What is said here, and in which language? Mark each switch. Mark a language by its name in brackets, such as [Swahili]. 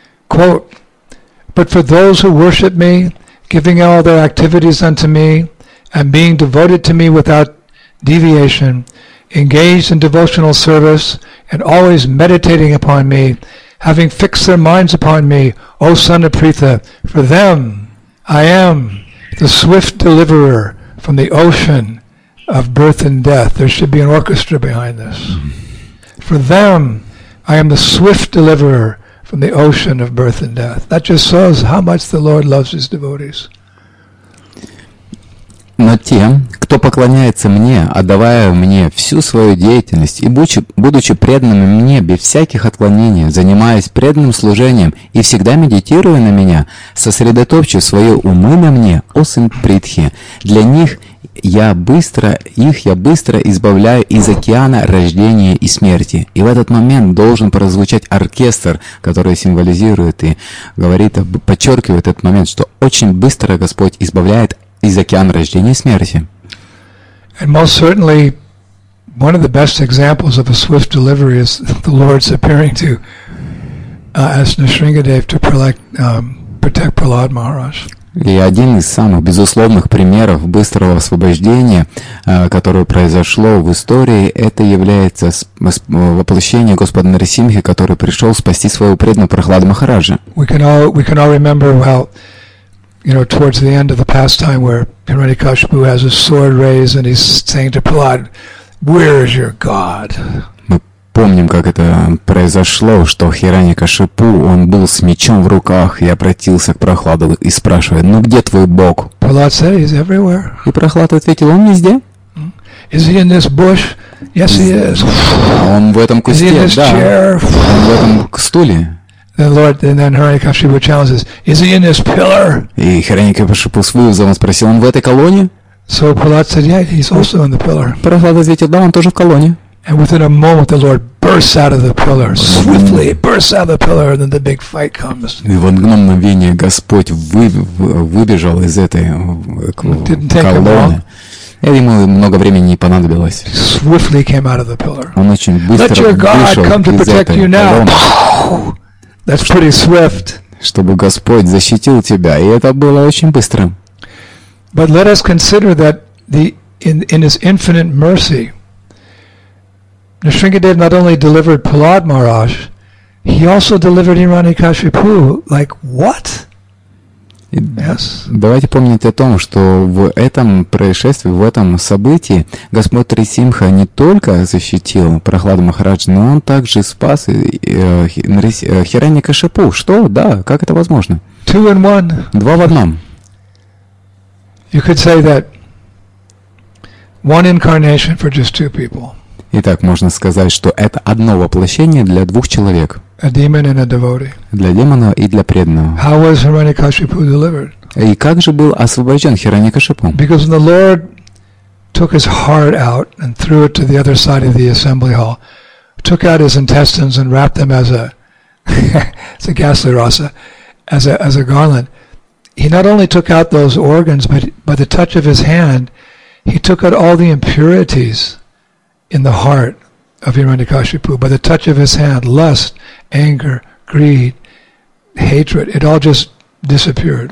[English] Quote, But for those who worship me, giving all their activities unto me, and being devoted to me without deviation, engaged in devotional service, and always meditating upon me, having fixed their minds upon me, O son of Pritha, for them I am the swift deliverer from the ocean of birth and death. There should be an orchestra behind this. For them I am the swift deliverer from the ocean of birth and death. That just shows how much the Lord loves His devotees. [Russian] Но тем, кто поклоняется мне, отдавая мне всю свою деятельность и будучи преданным мне без всяких отклонений, занимаясь преданным служением и всегда медитируя на меня, сосредоточив свои умы на мне, о сын Притхи, для них я быстро избавляю из океана рождения и смерти. И в этот момент должен прозвучать оркестр, который символизирует и говорит, подчеркивает этот момент, что очень быстро Господь избавляет из океана рождения и смерти. [English] And most certainly, one of the best examples of a swift delivery is the Lord's appearing to as Nrisingadev to protect Prahlad Maharaj. [Russian] И один из самых безусловных примеров быстрого освобождения, которое произошло в истории, это является воплощение Господа Нарасимхи, который пришел спасти своего преданного Прахлада Махараджа. [English] We can all remember how you know, towards the end of the pastime where Hiranyakashipu has his sword raised and he's saying to Prahlad, Where is your God? [Russian] Мы помним, как это произошло, что Хиранья-Кашипу, он был с мечом в руках и обратился к Прохладу и спрашивает: «Ну где твой бог?» [English] Prahlad said, he's everywhere. [Russian] И Прохлад ответил: «Он везде». [English] Is he in this bush? Yes, he is. [Russian] Он в этом кусте, [English] is he in this [Russian] да. [English] Chair? [Russian] Он в этом стуле. [English] Then Lord, and then Hiranyakashipu challenges: Is he in this pillar? [Russian] И Хиранья-Кашипу с вызовом спросил: Он в этой колонне? [English] So Prahlad said, yeah, he's also in the pillar. [Russian] Прохлад ответил: Да, он тоже в колонне. [English] And within a moment, the Lord bursts out of the pillar, swiftly bursts out of the pillar, and then the big fight comes. [Russian] И в одно мгновение Господь выбежал из этой колонны. Ему много времени не понадобилось. [English] Swiftly came out of the pillar. [Russian] Он очень быстро вышел из этой колонны. [English] That's pretty swift. [Russian] Чтобы Господь защитил тебя, и это было очень быстро. [English] But let us consider that in His infinite mercy, Nrisimhadev not only delivered Prahlad Maharaj, he also delivered Hiranyakashipu. Like what? Yes. [Russian] Давайте помнить о том, что в этом происшествии, в этом событии Господь Нрисимха не только защитил Прохлада Махараджа, но он также спас Хиранья-Кашипу. Что? Да, как это возможно? [English] Two in one. [Russian] Два в одном. [English] You could say that one incarnation for just two people. [Russian] Итак, можно сказать, что это одно воплощение для двух человек. [English] A demon and a devotee. [Russian] Для демона и для преданного. [English] How was Hiranyakashipu delivered? [Russian] И как же был освобожден Хиранья-Кашипу? [English] Because when the Lord took his heart out and threw it to the other side of the assembly hall, took out his intestines and wrapped them as a as a ghastly rasa, as a garland, he not only took out those organs, but by the touch of his hand, he took out all the impurities in the heart of Hiranyakashipu, by the touch of his hand, lust, anger, greed, hatred, it all just disappeared.